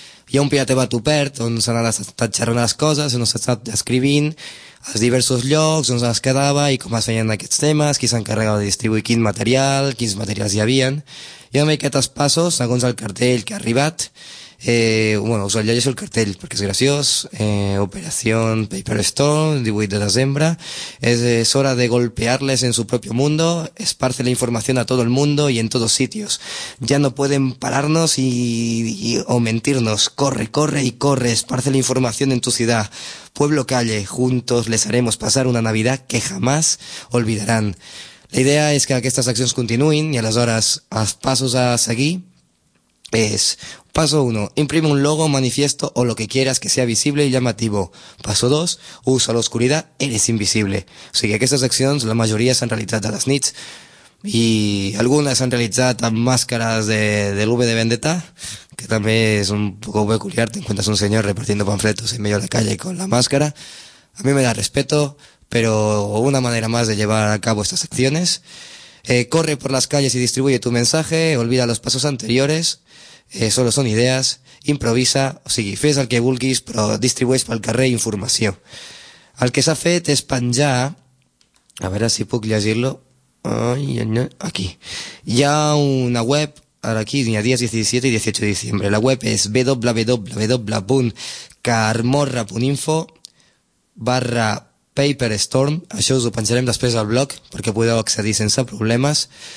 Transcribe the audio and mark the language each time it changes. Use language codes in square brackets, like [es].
[ca] Hi ha un PirateBat obert on s'han estat xerrant les coses, on s'han estat escrivint els diversos llocs on es quedava i com es feien aquests temes, qui s'encarregava de distribuir quin material, quins materials hi havien. Hi ha una miqueta els passos, segons el cartell que ha arribat. Bueno, us llegeixo el cartell perquè és graciós. Operació Paper Stone, 18 de desembre. [es] És hora de golpearles en su propio mundo. Esparce la información a todo el mundo y en todos sitios. Ya no pueden pararnos o mentirnos. Corre, corre y corre. Esparce la información en tu ciudad. Pueblo, calle. Juntos les haremos pasar una Navidad que jamás olvidarán. [ca] La idea és que aquestes accions continuïn i aleshores els passos a seguir és... [es] Paso 1. Imprime un logo, manifiesto o lo que quieras que sea visible y llamativo. Paso 2. Usa la oscuridad, eres invisible. [ca] O sigui, aquestes accions, la majoria s'han realitzat a les nits i algunes s'han realitzat amb màscares de l'V de Vendetta, que també és [es] un poco [ca] peculiar, [es] te encuentras un senyor repartiendo panfletos en medio de la calle con la máscara. A mí me da respeto, pero una manera más de llevar a cabo estas acciones. Corre por las calles y distribuye tu mensaje, olvida los pasos anteriores... [ca] solo són idees, improvisa, o sigui, fes el que vulguis, però distribueix pel carrer informació. El que s'ha fet és penjar, a veure si puc llegir-lo, aquí. Hi ha una web, ara aquí, hi ha dies 17 i 18 [es] de diciembre, [ca] la web és www.carmorra.info/paperstorm, això us ho penjarem després al blog, perquè podeu accedir sense problemes.